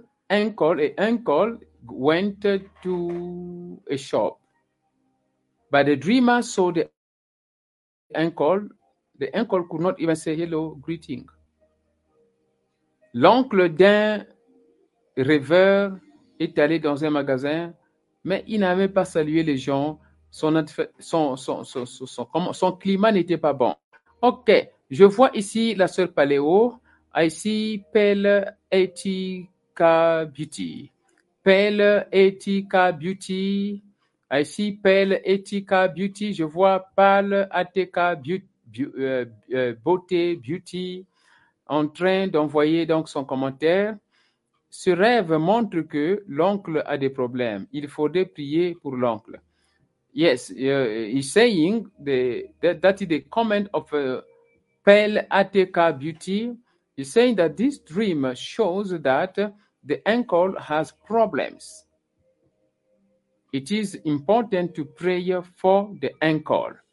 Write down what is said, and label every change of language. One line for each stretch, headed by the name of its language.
English: An uncle went to a shop. But the dreamer saw the uncle. The uncle could not even say hello, greeting.
French: L'oncle d'un rêveur est allé dans un magasin, mais il n'avait pas salué les gens. Son climat n'était pas bon. OK, je vois ici la sœur Paléo.
English: I see Pale Etika Beauty. Pale Etika Beauty. I see Pale Etika Beauty.
French: Je vois Pale Etika Beauty. Beauté, beauty, en train d'envoyer donc son commentaire. Ce rêve montre que l'oncle a des problèmes. Il faudrait prier pour l'oncle.
English: Yes, he's saying that is the comment of Pale Etika Beauty. He's saying that this dream shows that the uncle has problems. It is important to pray for the uncle.